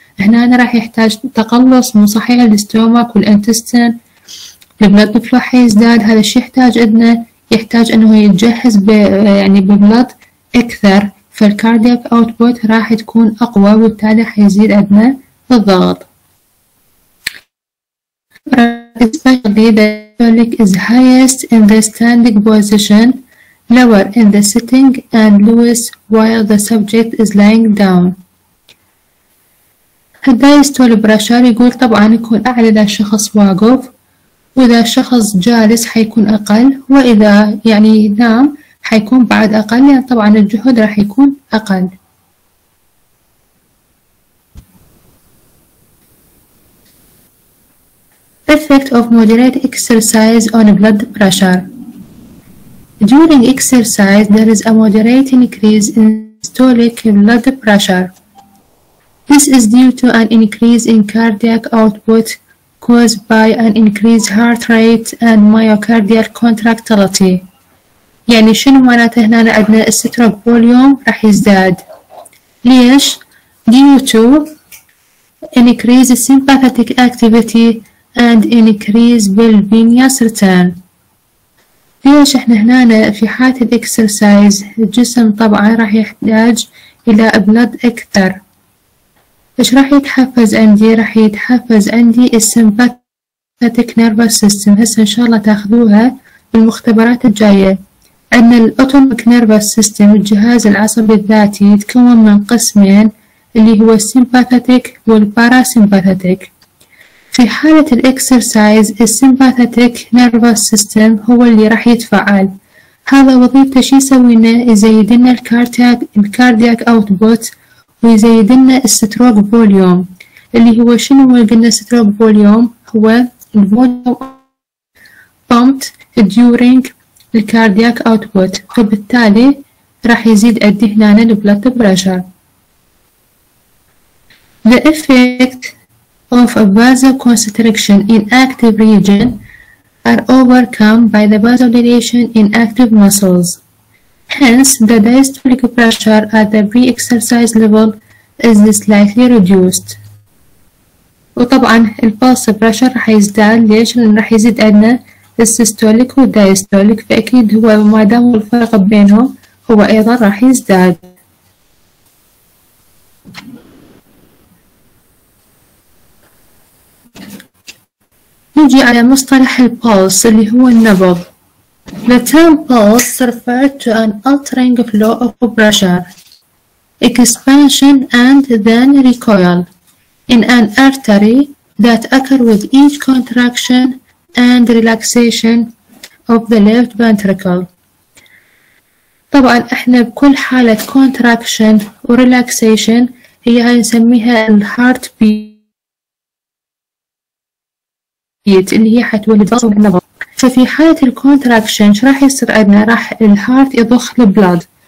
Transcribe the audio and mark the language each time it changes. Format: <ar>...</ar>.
<ar>هنا أنا راح يحتاج تقلص مو صحيح الاستومك والانتستين، البلد فلو حيزداد. هذا الشيء يحتاج عندنا يحتاج انه يتجهز يعني ببلد اكثر، فالكاردياك اوتبوت راح تكون اقوى وبالتالي حيزيد عندنا الضغط.</ar> <en>Especially the systolic is highest in the standing position, lower in the sitting and lowest while the subject is lying down.</en> <ar>الدايستول بريشر يقول طبعا يكون أعلى إذا الشخص واقف، وإذا الشخص جالس حيكون أقل، وإذا يعني نام حيكون بعد أقل، يعني طبعا الجهد راح يكون أقل.</ar> <en>effect of moderate exercise on blood pressure. During exercise, there is a moderate increase in systolic blood pressure. This is due to an increase in cardiac output caused by an increased heart rate and myocardial contractility.</en> <ar>يعني شنو معناته هنا عندنا الستروك فوليوم راح يزداد. ليش؟</ar> <en>Due to increased sympathetic activity and increased bilirubin return.</en> <ar>ليش احنا هنا في حالة الاكسرسايز الجسم طبعا راح يحتاج الى بلد اكثر. ايش راح يتحفز عندي؟ راح يتحفز عندي السمباثيك نيرفس سيستم. هسه ان شاء الله تاخذوها بالمختبرات الجاية. عندنا الاوتوماتيك نيرفس سيستم، الجهاز العصبي الذاتي، يتكون من قسمين اللي هو السمباثيك والباراسمباثيك. في حالة الاكسرسايز السمباثيك نيرفس سيستم هو اللي راح يتفعل. هذا وظيفته شي يسوينا يزيد لنا الكاردياك اوتبوت ويزيد لنا الستروك فوليوم. اللي هو شنو هو قلنا الستروك فوليوم؟ هو الفوليوم بامبت ديورينج الكاردياك اوتبوت، فبالتالي راح يزيد عندي هنا البلد بريشر.</ar> <en>The effect of a vasoconstriction in active region are overcome by the vasodilation in active muscles. Hence, the diastolic pressure at the pre-exercise level is slightly reduced.</en> <ar>وطبعا البلس بريشر راح يزداد. ليش؟ لأن راح يزيد عندنا السيستوليك والدايستوليك، فأكيد هو ما دام الفرق بينهم هو أيضا راح يزداد. نجي على مصطلح البولس اللي هو النبض.</ar> <en>The term pulse referred to an altering flow of pressure, expansion and then recoil in an artery that occur with each contraction and relaxation of the left ventricle.</en> <ar>طبعا احنا بكل حالة contraction و relaxation هي هاي نسميها الهارت بيت اللي هي حتولد النبض. ففي حالة الكونتراكشن ايش راح يصير عندنا؟ راح الهارت يضخ البلاد.</ar>